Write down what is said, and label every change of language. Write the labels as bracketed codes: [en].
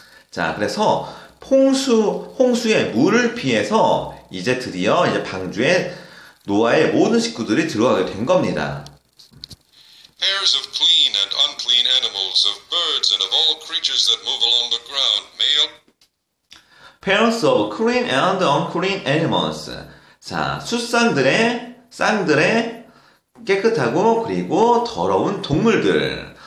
[ko] 자, 그래서 홍수의 물을 피해서 이제 드디어 이제 방주에 노아의 모든 식구들이 들어가게 된 겁니다. [en] Pairs of clean and unclean animals, of birds and of all creatures that move along the ground, male. Pairs of clean and unclean animals. [ko] 자, 수쌍들의 쌍들의 깨끗하고 그리고 더러운 동물들.